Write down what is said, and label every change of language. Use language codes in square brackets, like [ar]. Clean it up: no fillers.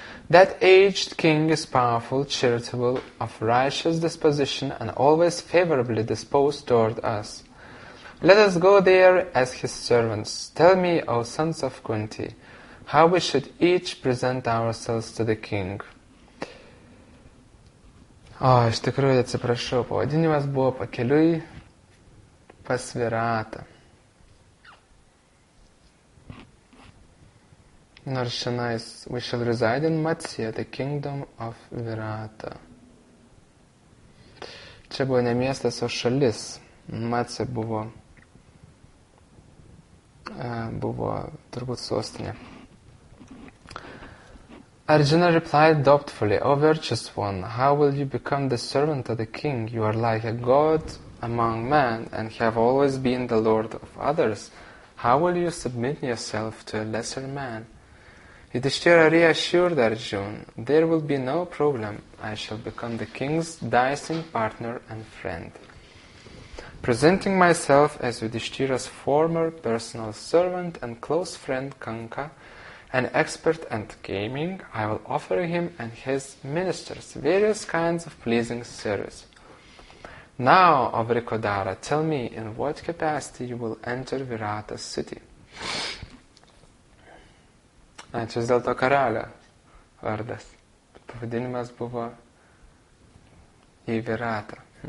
[en] That aged king is powerful, charitable, of righteous disposition, and always favorably disposed toward us. Let us go there as his servants. Tell me, O sons of Kunti, how we should each present ourselves to the king. [lt] Iš tikrųjų atsiprašau, pavadinimas buvo Pakeliui pas Viratą. Nors šiandien, [en] we shall reside in Matsya, the kingdom of Virata. [lt] Čia buvo ne miestas, o šalis. Matsya buvo, buvo turbūt sostinė. [en] Arjuna replied doubtfully, O virtuous one, how will you become the servant of the king? You are like a god among men and have always been the lord of others. How will you submit yourself to a lesser man? Yudhishthira reassured Arjuna, There will be no problem. I shall become the king's dancing partner and friend. Presenting myself as Yudhishthira's former personal servant and close friend Kanka, an expert at gaming, I will offer him and his ministers various kinds of pleasing service. Now, O Vrikodara, tell me in what capacity you will enter Virata's city. [lt] Čia vis dėlto karalio vardas. Pavadinimas buvo į Viratą.